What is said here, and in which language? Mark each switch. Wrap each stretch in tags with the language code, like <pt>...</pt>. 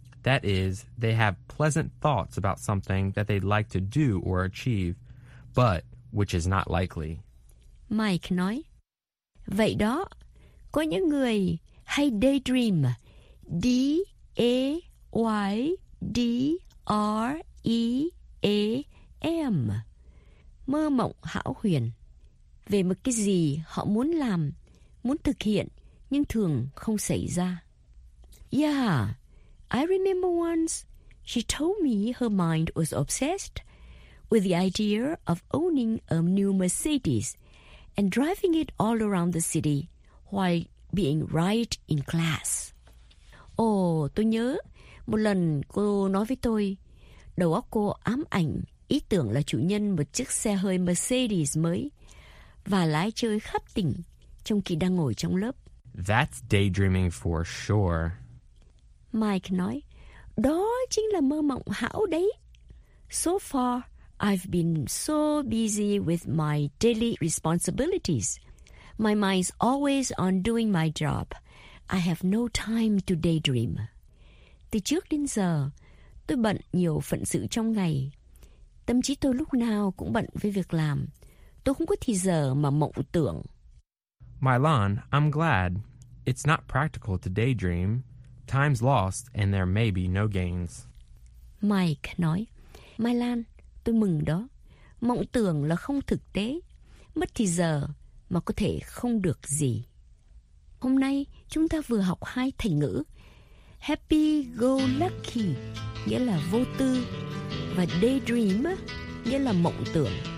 <en>That is, they have pleasant thoughts about something that they'd like to do or achieve, but which is not likely.</en> <vi>Mike nói, vậy đó, có những người hay daydream, D-A-Y-D-R-E-A-M, mơ mộng hão huyền, về một cái gì họ muốn làm, muốn thực hiện, nhưng thường không xảy ra.</vi> <en>Yeah, I remember once she told me her mind was obsessed with the idea of owning a new Mercedes and driving it all around the city while being right in class.</en> <vi>Oh, tôi nhớ một lần cô nói với tôi, đầu óc cô ám ảnh ý tưởng là chủ nhân một chiếc xe hơi Mercedes mới và lái chơi khắp tỉnh trong khi đang ngồi trong lớp.</vi> <en>That's daydreaming for sure.</en> <vi>Mike nói, đó chính là mơ mộng hão đấy.</vi> <en>So far, I've been so busy with my daily responsibilities. My mind's always on doing my job. I have no time to daydream.</en> <vi>Từ trước đến giờ, tôi bận nhiều phận sự trong ngày. Tâm trí tôi lúc nào cũng bận với việc làm. Tôi không có thời giờ mà mộng tưởng.</vi> <en>Mylon, I'm glad. It's not practical to daydream. Time's lost and there may be no gains.</en> <vi>Mike nói, Mylon, tôi mừng đó. Mộng tưởng là không thực tế. Mất thì giờ mà có thể không được gì. Hôm nay chúng ta vừa học hai thành ngữ. Happy go lucky nghĩa là vô tư và daydream nghĩa là mộng tưởng.</vi>